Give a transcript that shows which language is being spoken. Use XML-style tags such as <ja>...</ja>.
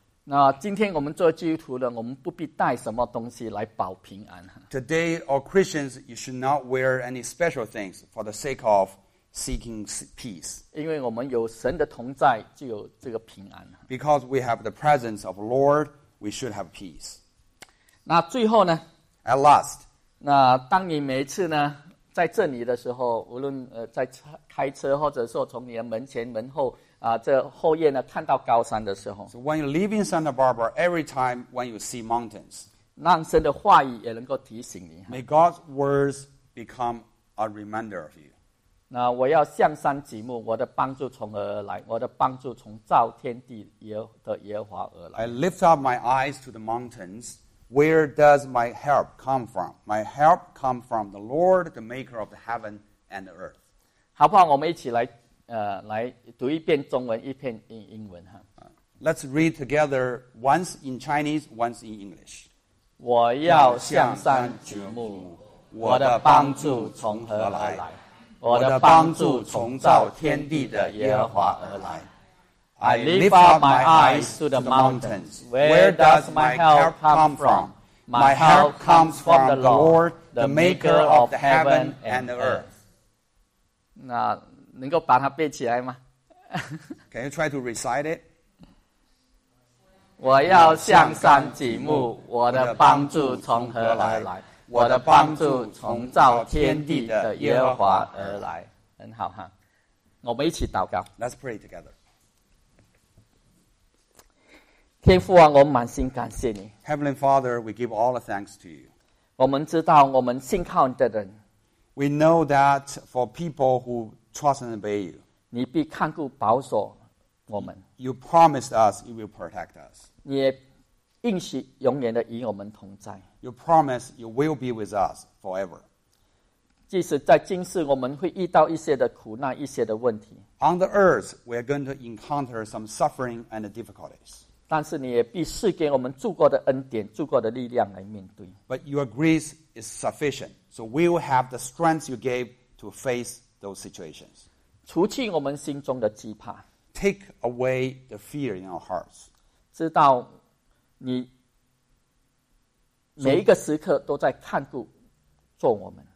<zh>那今天我们做基督徒的，我们不必带什么东西来保平安。</zh> <en>Today, all Christians, you should not wear any special things for the sake of. Seeking peace.</en> <zh>因为我们有神的同在，就有这个平安。</zh> <en>Because we have the presence of the Lord, we should have peace.</en> <zh>那最后呢？</zh> <en>At last.</en> <zh>那当你每一次呢，在这里的时候，无论在开车或者说从你的门前门后这后院呢，看到高山的时候。</zh> <en>So when you live in Santa Barbara, every time when you see mountains,</en> <zh>让神的话语也能够提醒你。</zh> <en>May God's words become a reminder of you.</en> <zh>那我要向山举目，我的帮助从何而来？我的帮助从造天地的耶和华而来。</zh> <en>I lift up my eyes to the mountains. Where does my help come from? My help comes from the Lord, the maker of the heaven and the earth.</en> <zh>好不好？我们一起来读一遍中文，一遍英文哈。</zh> <en>Let's read together once in Chinese, once in English.</en> <zh>我要向山举目，我的帮助从何而来？我的帮助从造天地的耶和华而来。</zh> <en>I lift up my eyes to the mountains. Where does my help come from? My help comes from the Lord, the maker of the heaven and the earth.</en> <zh>那能够把它背起来吗？</zh> <en>Can you try to recite it?</en> <zh>我要向山举目，我的帮助从何而来？我的帮助从造天地的耶和华而来。很好哈，我们一起祷告。</zh> <en>Let's pray together.</en> <zh>天父啊，我满心感谢你。</zh> <en>Heavenly Father, we give all the thanks to you.</en> <zh>我们知道我们信靠你的人。</zh> <en>We know that for people who trust and obey you,</en> <zh>你必看顾保守我们。</zh> <en>You promised us you will protect us.</en> <zh>你也应许永远的与我们同在。</zh> <en>You promise you will be with us forever.</en> <zh>即使在今世我们会遇到一些的苦难，一些的问题。</zh> <en>On the earth, we are going to encounter some suffering and difficulties.</en> <zh>但是你也必赐给我们足够的恩典，足够的力量来面对。</zh> <en>But your grace is sufficient, so we will have the strength you gave to face those situations.</en> <zh>除去我们心中的惧怕。</zh> <en>Take away the fear in our hearts.</en> <zh>知道你每一个时刻都在看顾做我们。</zh>